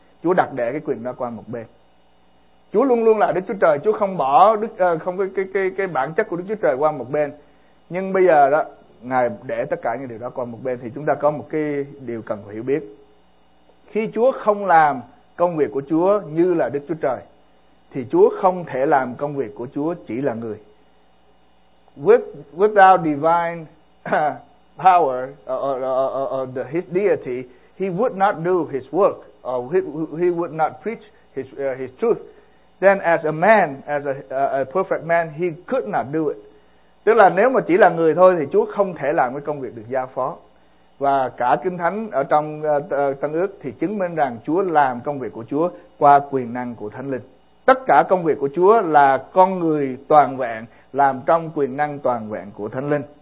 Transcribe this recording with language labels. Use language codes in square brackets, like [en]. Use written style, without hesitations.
[vi] Chúa đặt để cái quyền đó qua một bên. Chúa luôn luôn là Đức Chúa Trời, Chúa không bỏ không có cái bản chất của Đức Chúa Trời qua một bên. Nhưng bây giờ đó, Ngài để tất cả những điều đó qua một bên, thì chúng ta có một cái điều cần phải hiểu biết. Khi Chúa không làm công việc của Chúa như là Đức Chúa Trời, thì Chúa không thể làm công việc của Chúa chỉ là người. [en] Without divine power or his deity, he would not do his work, or he would not preach his truth. Then as a man, as a perfect man, he could not do it. [vi] Tức là nếu mà chỉ là người thôi thì Chúa không thể làm cái công việc được giao phó. Và cả Kinh Thánh ở trong Tân Ước thì chứng minh rằng Chúa làm công việc của Chúa qua quyền năng của Thánh Linh. Tất cả công việc của Chúa là con người toàn vẹn, làm trong quyền năng toàn vẹn của Thánh Linh.